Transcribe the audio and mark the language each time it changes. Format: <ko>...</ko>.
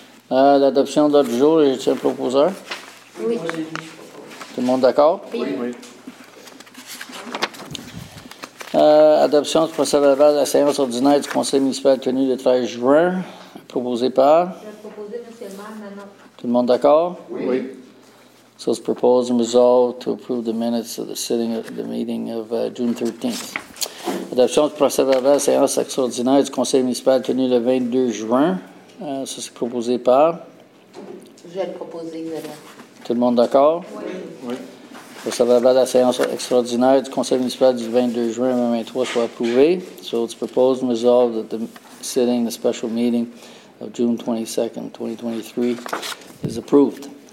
<fr>L'adoption de l'ordre du jour, est-ce un proposeur? Oui. Tout le monde d'accord? Oui. Adoption du procès verbal de la séance ordinaire du conseil municipal tenu le 13 juin, proposé par? Je vais proposer, M. Mann, maintenant. Tout le monde d'accord? Oui.</fr> <en>So it's proposed and resolved to approve the minutes of the sitting of the meeting of June 13th.</en> <fr>Adoption du procès-verbal, séance extraordinaire du conseil municipal tenu le 22 juin. Ça, c'est proposé par? Je vais le proposer, madame. Tout le monde d'accord? Oui. Procès-verbal, séance extraordinaire du conseil municipal du 22 juin 2023 soit approuvé.</fr> <en>So it's proposed and resolved that the sitting, the special meeting of June 22nd, 2023 is approved.</en>